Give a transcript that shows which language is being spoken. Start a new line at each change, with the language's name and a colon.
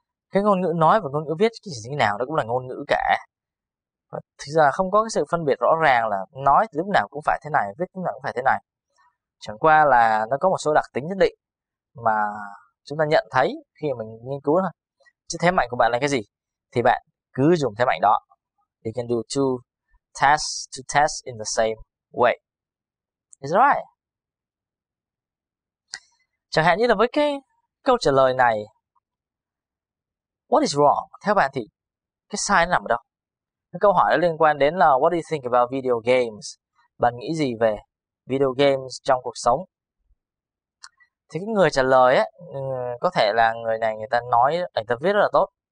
Vietnamese: Cái ngôn ngữ nói và ngôn ngữ viết cái gì như nào nó cũng là ngôn ngữ cả. Thực ra không có cái sự phân biệt rõ ràng là nói lúc nào cũng phải thế này, viết lúc nào cũng phải thế này. Chẳng qua là nó có một số đặc tính nhất định mà chúng ta nhận thấy khi mình nghiên cứu thôi. Chứ thế mạnh của bạn là cái gì thì bạn cứ dùng thế mạnh đó.
English: You can do two tests in the same way. Is that right?
Vietnamese: Chẳng hạn như là với cái câu trả lời này,
English: what is wrong?
Vietnamese: Theo bạn thì cái sai nó nằm ở đâu? Cái câu hỏi đó liên quan đến là
English: what do you think about video games?
Vietnamese: Bạn nghĩ gì về video games trong cuộc sống? Thì cái người trả lời ấy, có thể là người này người ta nói, người ta viết rất là tốt.